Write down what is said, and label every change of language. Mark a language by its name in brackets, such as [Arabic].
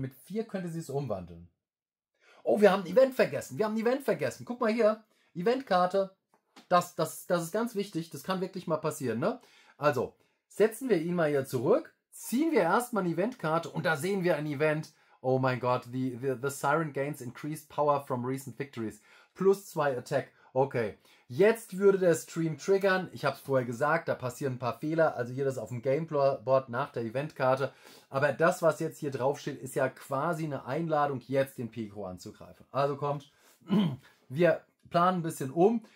[German] Mit 4 könnte sie es umwandeln. Oh, wir haben ein Event vergessen. Wir haben ein Event vergessen. Guck mal hier, Eventkarte. Das ist ganz wichtig, das kann wirklich mal passieren, ne? Also, setzen wir ihn mal hier zurück, ziehen wir erstmal eine Eventkarte und da sehen wir ein Event. Oh mein Gott, [English] the Siren gains increased power from recent victories. Plus 2 Attack. [German] Okay, jetzt würde der Stream triggern. Ich habe es vorher gesagt, da passieren ein paar Fehler. Also hier das auf dem Gameboard nach der Eventkarte. Aber das, was jetzt hier drauf steht, ist ja quasi eine Einladung, jetzt den Pico anzugreifen. Also kommt, wir planen ein bisschen um.